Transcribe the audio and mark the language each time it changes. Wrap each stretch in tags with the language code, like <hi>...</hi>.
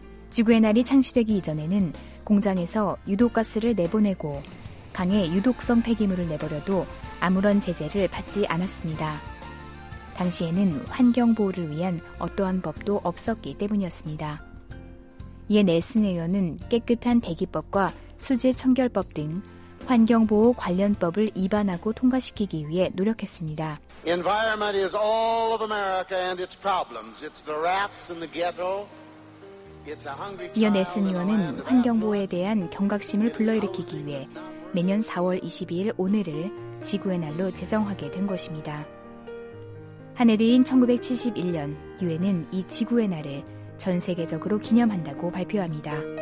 <ko>지구의 날이 창시되기 이전에는 공장에서 유독가스를 내보내고 강에 유독성 폐기물을 내버려도 아무런 제재를 받지 않았습니다. 당시에는 환경보호를 위한 어떠한 법도 없었기 때문이었습니다. 이에 넬슨 의원은 깨끗한 대기법과 수질청결법 등 환경보호 관련법을 위반하고 통과시키기 위해 노력했습니다.</ko> <en>Environment is all of America and its problems. It's the rats in the ghetto. It's a hungry child.</en> <ko>이어 넬슨 의원은 환경보호에 대한 경각심을 불러일으키기 위해 매년 4월 22일 오늘을 지구의 날로 제정하게 된 것입니다. 한 해 뒤인 1971년 유엔은 이 지구의 날을 전 세계적으로 기념한다고 발표합니다.</ko>